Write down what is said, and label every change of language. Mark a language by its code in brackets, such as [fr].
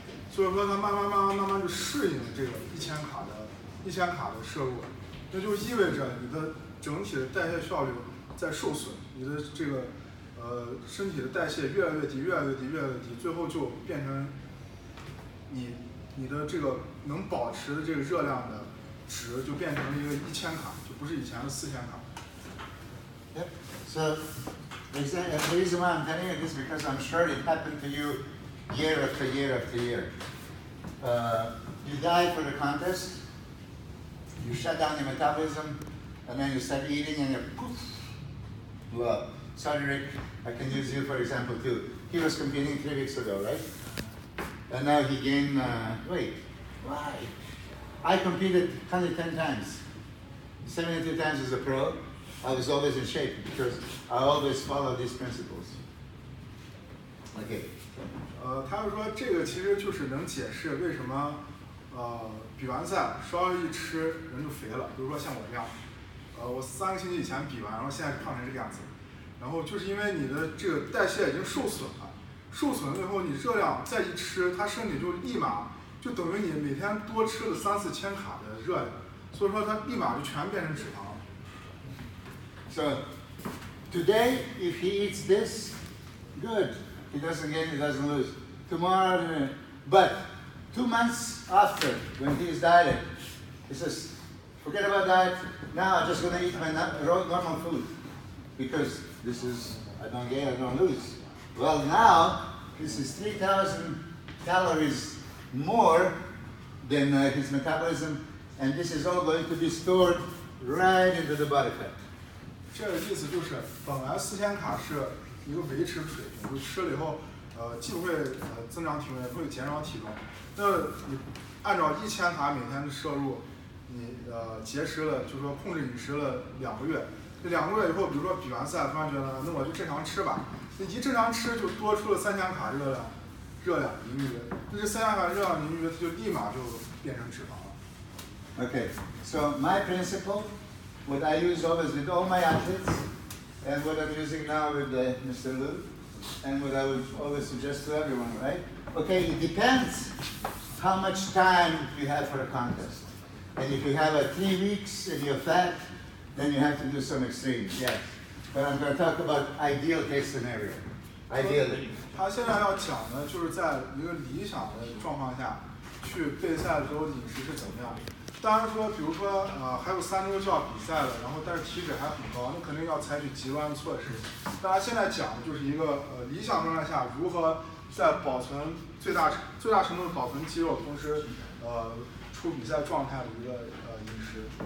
[zh] 所以说它慢慢就适应这个一千卡的摄入，那就意味着你的整体的代谢效率在受损，你的这个身体的代谢越来越低，越来越低，越来越低，最后就变成。你的这个能保持的这个热量的值就变成了一个1,000卡，就不是以前的4,000卡。 [en] Yep. So, the reason why I'm telling you this is because I'm sure it happened to you year after year after year. You die for the contest, you shut down your metabolism, and then you start eating and you're poof. Well, sorry, Rick, I can use you for example too. He was competing 3 weeks ago, right? And now he gained weight. Why? I competed 110 times. 72 times as a pro, I was always in shape because I always follow these principles. Okay. [zh] 他们说这个其实就是能解释为什么比完赛稍微一吃人就肥了。比如说像我这样，我3个星期以前比完，然后现在胖成这个样子。然后就是因为你的这个代谢已经受损了。受损了以后，你热量再一吃，它身体就立马就等于你每天多吃了3,000-4,000卡的热量，所以说它立马就全变成脂肪了。 [en] So today, if he eats this, good, he doesn't gain, he doesn't lose. Tomorrow, but 2 months after, when he is dieting, he says, forget about diet. Now I'm just gonna eat my normal food because this is I don't gain, I don't lose. Well, now, this is 3,000 calories more than his metabolism, and this is all going to be stored right into the body fat. [zh] 这个意思就是，本来4,000卡是一个维持水平，就吃了以后，既不会增长体重，也不会减少体重。那你按照1,000卡每天的摄入，你节食了，就是说控制饮食了2个月。这2个月以后，比如说比完赛，突然觉得，那我就正常吃吧。你一正常吃就多出了3,000卡热量盈余，那这3,000卡热量盈余它就立马就变成脂肪了。 [en] Okay, so my principle, what I use always with all my athletes, and what I'm using now with Mr. Lu, and what I would always suggest to everyone, right? Okay, it depends how much time you have for a contest, and if you have a 3 weeks and you're fat, then you have to do some extreme. Yes. But I'm going to talk about ideal case scenario. Ideally. [zh] 他现在要讲的就是在一个理想的状况下去备赛的时候饮食是怎么样的。当然说比如说还有3周就要比赛了，然后但是体脂还很高，那肯定要采取极端的措施。大家现在讲的就是一个理想状态下如何在保存最大程度的保存肌肉，同时出比赛状态的一个饮食。